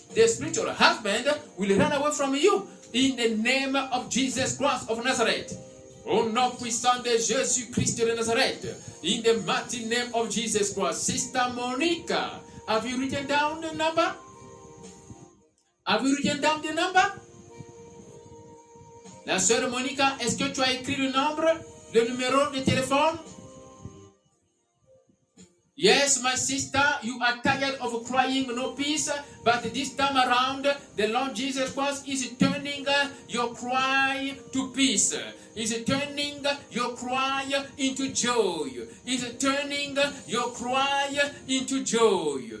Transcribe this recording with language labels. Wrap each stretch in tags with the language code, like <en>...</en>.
<en>The spiritual husband will run away from you in the name of Jesus Christ of Nazareth.</en> <fr>Au nom puissant de Jésus Christ de Nazareth,</fr> <en>in the mighty name of Jesus Christ. Sister Monica, have you written down the number? Have you written down the number?</en> <fr>La sœur Monica, est-ce que tu as écrit le nombre, le numéro de téléphone?</fr> <en>Yes, my sister, you are tired of crying, no peace, but this time around, the Lord Jesus Christ is turning your cry to peace. Is turning your cry into joy. Is turning your cry into joy.</en>